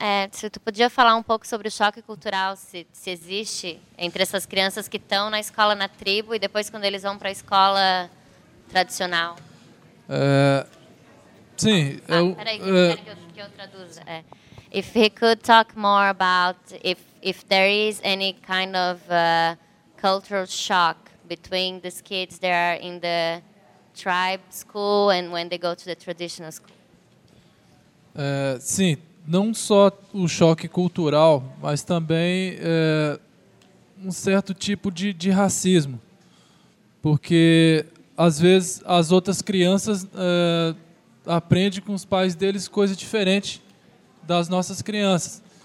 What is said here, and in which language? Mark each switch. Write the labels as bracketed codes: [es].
[pt] Se tu podia falar um pouco sobre o choque cultural, se existe, entre essas crianças que estão na escola na tribo e depois quando eles vão para a escola tradicional. Sim. Peraí, que eu traduzo. [en] If he could talk more about if there is any kind of cultural shock between these kids that are in the tribe school and when they go to the traditional school. [pt] Sim. Não só o choque cultural, mas também um certo tipo de racismo. Porque, às vezes, as outras crianças aprendem com os pais deles coisa diferente das nossas crianças.